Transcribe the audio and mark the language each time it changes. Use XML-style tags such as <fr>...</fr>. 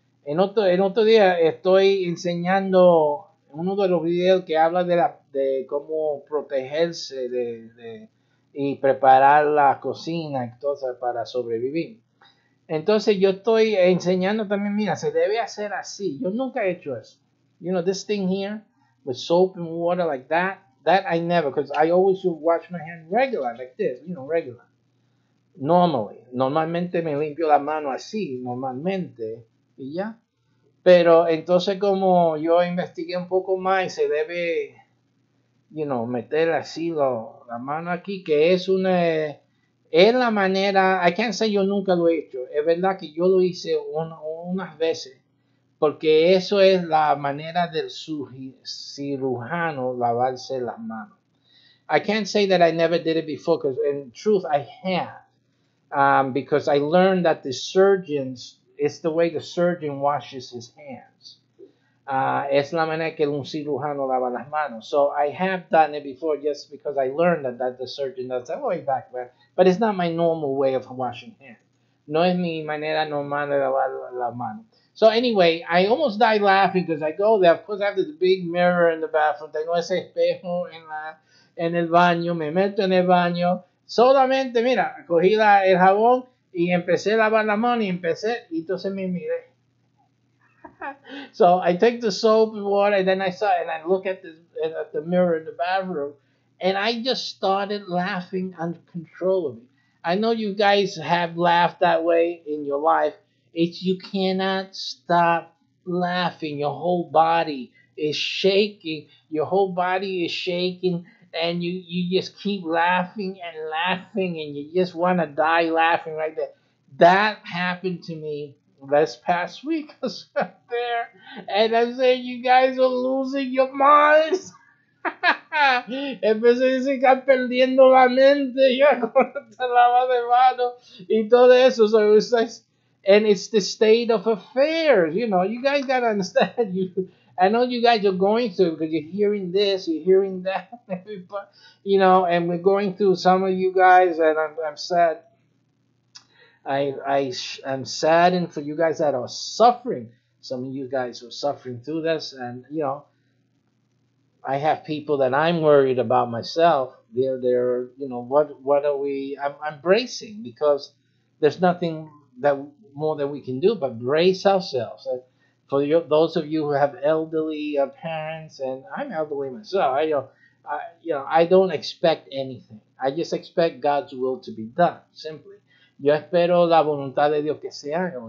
<es>En otro día estoy enseñando uno de los videos que habla de cómo protegerse de y preparar la cocina y cosas para sobrevivir. Entonces yo estoy enseñando también, mira, se debe hacer así. Yo nunca he hecho eso.</es> <en>You know, this thing here with soap and water like that, that I never, because I always wash my hand regular, like this, you know, regular. Normally.</en> <es>Normalmente me limpio la mano así, normalmente, y ya. Pero entonces como yo investigué un poco más, se debe, you know, meter así la mano aquí, que es una... Es la manera,</es> <en>I can't say</en> <es>yo nunca lo he hecho, es verdad que yo lo hice unas veces, porque eso es la manera del cirujano lavarse las manos.</es> <en>I can't say that I never did it before, because in truth I have, because I learned that the surgeons, it's the way the surgeon washes his hands.</en> <es>Es la manera que un cirujano lava las manos.</es> <en>So I have done it before just because I learned that the surgeon does that way back then. But it's not my normal way of washing hands.</en> <es>No es mi manera normal de lavar las manos.</es> <en>So anyway, I almost died laughing because I go there. Of course, I have this big mirror in the bathroom.</en> <es>Tengo ese espejo en el baño. Me meto en el baño. Solamente, mira, cogí el jabón y empecé a lavar las manos y empecé. Y entonces me miré.</es> <en>So I take the soap and water, and then I saw, and I look at the mirror in the bathroom, and I just started laughing uncontrollably. I know you guys have laughed that way in your life. It's you cannot stop laughing. Your whole body is shaking. Your whole body is shaking, and you just keep laughing and laughing, and you just want to die laughing right there. That happened to me this past week was there, and I'm saying you guys are losing your minds.</en> <es>Empecé a decir que están perdiendo la mente ya con la lava de mano y todo eso.</es> <en>So it was like, and it's the state of affairs, you know. You guys gotta understand. I know you guys are going through because you're hearing this, you're hearing that, you know. And we're going through some of you guys, and I'm sad. I'm saddened for you guys that are suffering. Some of you guys are suffering through this. And, you know, I have people that I'm worried about myself. They're you know, what are we... I'm bracing because there's nothing more that we can do but brace ourselves. For those of you who have elderly parents, and I'm elderly myself, I don't expect anything. I just expect God's will to be done, simply.</en> <es>Yo espero la voluntad de Dios que se haga.</es>